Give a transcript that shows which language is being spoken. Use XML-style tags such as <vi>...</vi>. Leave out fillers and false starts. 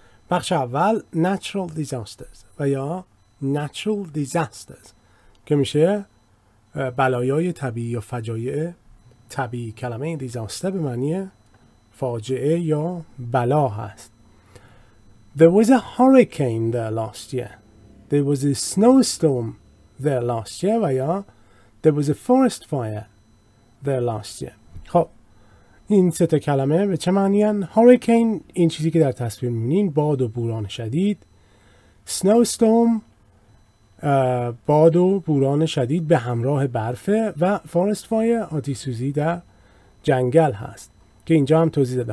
<fa>بخش اول Natural Disasters و یا Natural Disasters که میشه بلایای طبیعی یا فجایع طبیعی. کلمه Disaster به معنی فاجعه یا بلا هست.</fa> <en>There was a hurricane there last year. There was a snowstorm there last year.</en> <fa>و یا</fa> <en>There was a forest fire there last year.</en> <fa>خب این سه تا کلمه به چه معنی هن؟ هوریکین این چیزی که در تصویر می‌بینین، باد و بوران شدید. سنو استورم باد و بوران شدید به همراه برفه. و فارست فایر آتش سوزی در جنگل هست که اینجا هم توضیح داده.</fa>